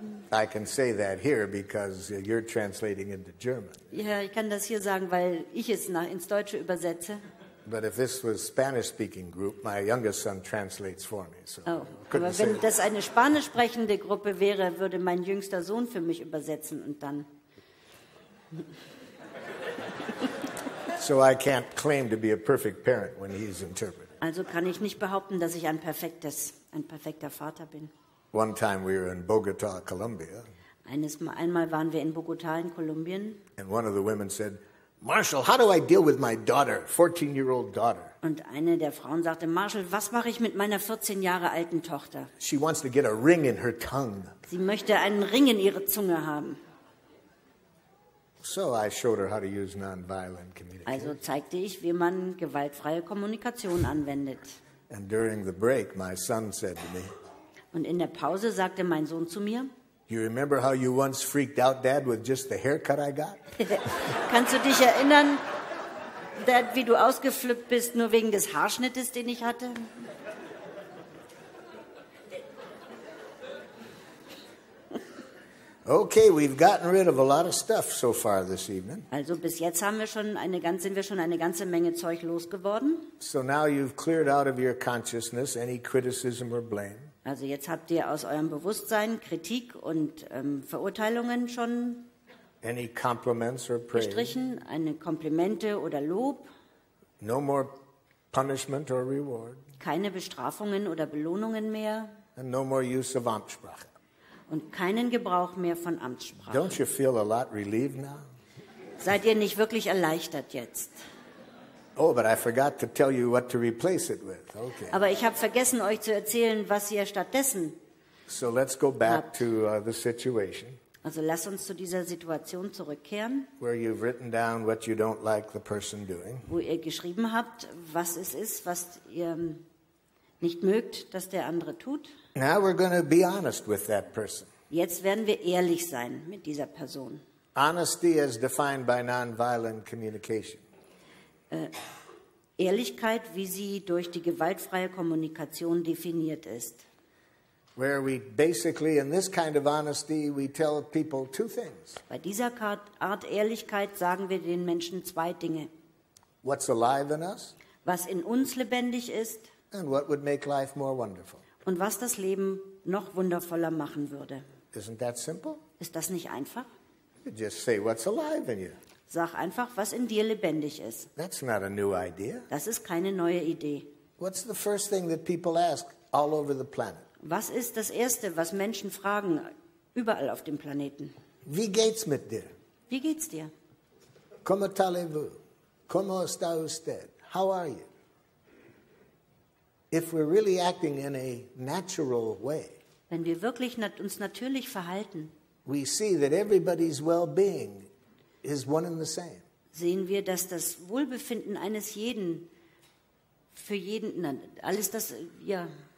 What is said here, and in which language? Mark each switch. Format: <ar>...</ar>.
<en>I can say that here because you're translating into German.</en> <de>Ja, ich kann das hier sagen, weil ich es ins Deutsche übersetze.</de> <en>But if this was Spanish-speaking group, my youngest son translates for me. So</en> <de>aber wenn das eine spanischsprechende Gruppe wäre, würde mein jüngster Sohn für mich übersetzen und dann.</de> <en>So I can't claim to be a perfect parent when he's interpreting.</en> <de>Also kann ich nicht behaupten, dass ich ein perfekter Vater bin.</de> <en>One time we were in Bogota, Colombia.</en> <de>Einmal waren wir in Bogota in Kolumbien.</de> <en>And one of the women said, "Marshall, how do I deal with my daughter, 14-year-old daughter?"</en> <de>Und eine der Frauen sagte, "Marshall, was mache ich mit meiner 14 Jahre alten Tochter?"</de> <en>She wants to get a ring in her tongue.</en> <de>Sie möchte einen Ring in ihre Zunge haben.</de> <en>So I showed her how to use nonviolent communication.</en> <de>Also zeigte ich, wie man gewaltfreie Kommunikation anwendet.</de> <en>And during the break, my son said to me,</en> <de>und in der Pause sagte mein Sohn zu mir,</de> <en>"You remember how you once freaked out, Dad, with just the haircut I got?"</en> <de>Kannst du dich erinnern, Dad, wie du ausgeflippt bist, nur wegen des Haarschnittes, den ich hatte?</de> <en>Okay, we've gotten rid of a lot of stuff so far this evening.</en> <de>Also bis jetzt sind wir schon eine ganze Menge Zeug losgeworden.</de> <en>So now you've cleared out of your consciousness any criticism or blame.</en> <de>Also jetzt habt ihr aus eurem Bewusstsein Kritik und Verurteilungen schon</de> <en>any compliments or praise.</en> <de>Gestrichen, eine Komplimente oder Lob.</de> <en>No more punishment or reward.</en> <de>Keine Bestrafungen oder Belohnungen mehr.</de> <en>And no more use of Amtssprache.</en> <de>Und keinen Gebrauch mehr von Amtssprache.</de> <en>Don't you feel a lot relieved now?</en> <de>Seid ihr nicht wirklich erleichtert jetzt?</de> <en>Oh, but I forgot to tell you what to replace it with. Okay.</en> <de>Aber ich habe vergessen, euch zu erzählen, was ihr stattdessen</de> <en>So let's go back</en> <de>habt.</de> <en>To the situation.</en> <de>Also lass uns zu dieser Situation zurückkehren.</de> <en>Where you've written down what you don't like the person doing.</en> <de>Wo ihr geschrieben habt, was es ist, was ihr nicht mögt, dass der andere tut.</de> <en>Now we're going to be honest with that person.</en> <de>Jetzt werden wir ehrlich sein mit dieser Person.</de> <en>Honesty as defined by nonviolent communication.</en> <de>Ehrlichkeit, wie sie durch die gewaltfreie Kommunikation definiert ist.</de> <en>Where we basically, in this kind of honesty, we tell people two things.</en> <de>Bei dieser Art Ehrlichkeit sagen wir den Menschen zwei Dinge.</de> <en>What's alive in us?</en> <de>Was in uns lebendig ist.</de> <en>And what would make life more wonderful?</en> <de>Und was das Leben noch wundervoller machen würde.</de> <en>Isn't that simple?</en> <de>Ist das nicht einfach?</de> <en>You just say what's alive in you.</en> <de>Sag einfach, was in dir lebendig ist.</de> <en>That's not a new idea.</en> <de>Das ist keine neue Idee.</de> <en>What's the first thing that people ask all over the planet?</en> <de>Was ist das Erste, was Menschen fragen überall auf dem Planeten? Wie geht's mit dir? Wie geht's dir?</de> <es>Como tallevue? Como está usted?</es> <en>How are you? If we're really acting in a natural way,</en> <de>wenn wir wirklich uns natürlich verhalten,</de> <en>we see that everybody's well-being is one and the same.</en> <de>Sehen wir, dass das Wohlbefinden eines jeden für jeden alles das ja.</de>